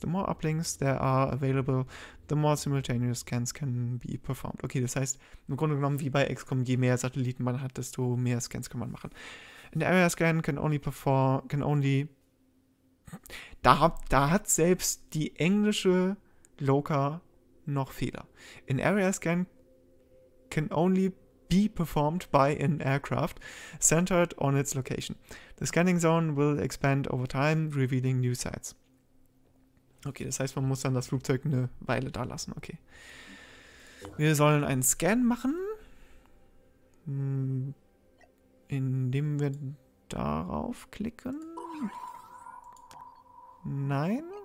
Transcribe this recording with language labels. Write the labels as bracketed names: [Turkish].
[English] The more Uplinks there are available, the more simultaneous scans can be performed. [German] Okay, das heißt, im Grunde genommen, wie bei XCOM, je mehr Satelliten man hat, desto mehr Scans kann man machen. [English] An area scan can only... [German] Da hat selbst die englische Loka noch Fehler. [English] An area scan can only... be performed by an aircraft centered on its location. The scanning zone will expand over time, revealing new sites. [German] Okay, das heißt, man muss dann das Flugzeug eine Weile da lassen. Okay. Wir sollen einen Scan machen, indem wir darauf klicken. Nein.